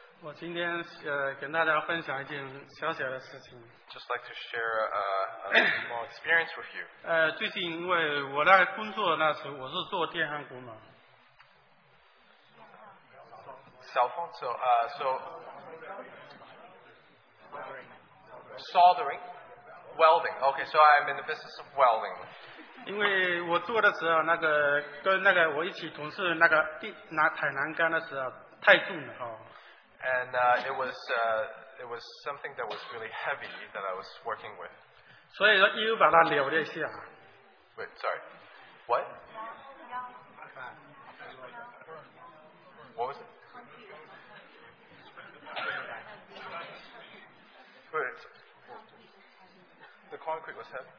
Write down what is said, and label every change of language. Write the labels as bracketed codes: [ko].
[zh] 我今天跟大家分享一件小小的事情。 [en] Just like to share a small experience with you. [zh] 最近因为我在工作那时我是做电焊工嘛。 [en] Soldering, welding. Okay, so I'm in the business of welding. [zh] 因为我做的时候，那个跟那个我一起同事那个拿抬栏杆的时候太重了哈。 [en] And it was something that was really heavy that I was working with. [zh] 所以说一路把它扭了一下。 [en] Wait, sorry. What? What was it? Wait. The concrete was heavy.